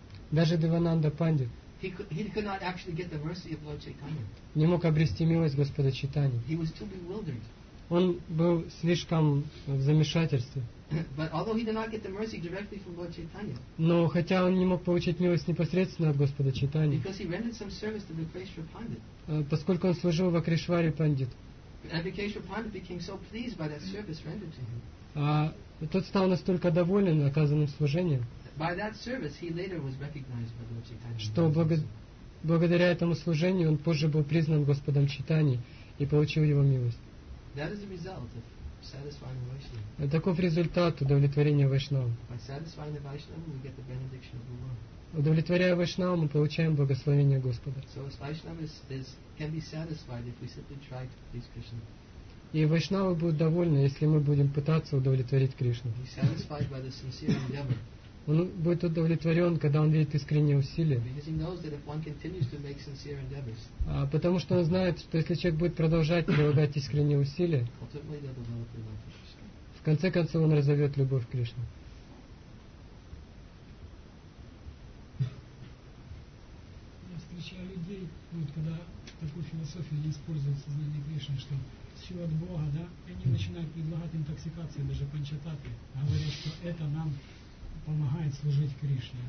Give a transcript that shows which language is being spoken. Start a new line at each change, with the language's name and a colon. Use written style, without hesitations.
Russian: Даже Девананда Пандит не мог обрести милость Господа Чайтаньи. Он был слишком в замешательстве.
English: But although he did not get the mercy directly from Lord Chaitanya,
Russian: но хотя он не мог получить милость непосредственно от Господа Чайтаньи,
English: because he rendered some service to Vakreshwara Pandit,
Russian: поскольку он служил Вакришваре Пандит,
English: and Vakreshwara Pandit became so pleased by that service rendered to him,
Russian: тот стал настолько доволен оказанным служением,
English: by that service he later was recognized by Lord Chaitanya,
Russian: что благодаря этому служению он позже был признан Господом Чайтаньи и получил его милость.
English: That is the result of satisfying Vaishnava.
Russian: Таков результат удовлетворения Вайшнава.
English: By satisfying the Vaishnava, we get the benediction of the Lord.
Russian: Удовлетворяя Вайшнава, мы получаем благословение Господа.
English: So Vaishnava can be satisfied if we simply try to please Krishna.
Russian: И Вайшнава будет довольна, если мы будем пытаться удовлетворить Кришну.
English: He's satisfied by the sincere endeavor.
Russian: Он будет удовлетворен, когда он видит искренние усилия.
English: Because he knows that if one continues to make sincere endeavors,
Russian: потому что он знает, что если человек будет продолжать прилагать искренние усилия,
English: ultimately they'll develop love for Krishna.
Russian: В конце концов он разовьет любовь к Кришне. Я встречаю людей, вот, когда такую философию используют в сознании Кришны, что все от Бога, да, они начинают предлагать интоксикации, даже панчататы, говорят, что это нам помогает служить Кришне.